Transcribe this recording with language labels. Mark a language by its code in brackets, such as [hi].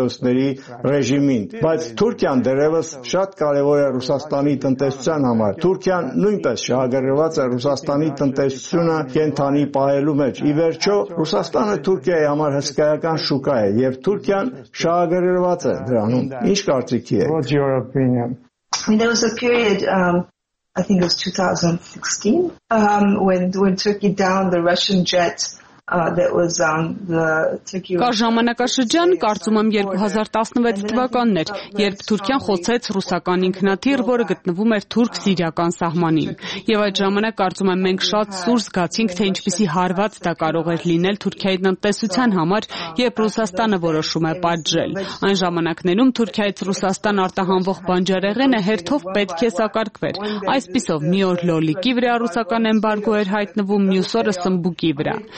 [en] On one hand, Turkey and the Ukraine, in Ukraine, [hy] բայց Թուրքիան դերևս շատ կարևոր է Ռուսաստանի տնտեսության համար։ Թուրքիան նույնպես շահագրգռված է Ռուսաստանի տնտեսությունը կենթանի պահելու մեջ։ Ի վերջո, Ռուսաստանը Թուրքիայի համար հսկայական շուկա է, և Թուրքիան շահագրգռված է դրանում։ Ինչ կարծիքի [en] եք։ What's your opinion? There was a period, I think it was 2016, when Turkey downed the Russian jet. [hy] Կար ժամանակաշրջան, կարծում եմ 2016 թվականներ, երբ Թուրքիան խոցեց ռուսական ինքնաթիռ, որը գտնվում էր թուրք-սիրիական սահմանին, եւ այդ ժամանակ կարծում եմ, մենք շատ սուր զգացինք, թե ինչպիսի հարված դա կարող էր լինել Թուրքիայի տնտեսության համար, երբ Ռուսաստանը որոշում է պատժել։ Այն ժամանակներում Թուրքիայից Ռուսաստան արտահանվող բանջարեղենը հերթով պետք է սակարկվեր, այսպիսով մի օր լոլիկի վրա ռուսական էմբարգո էր հայտնվում, մյուս օրը սմբուկի վրա։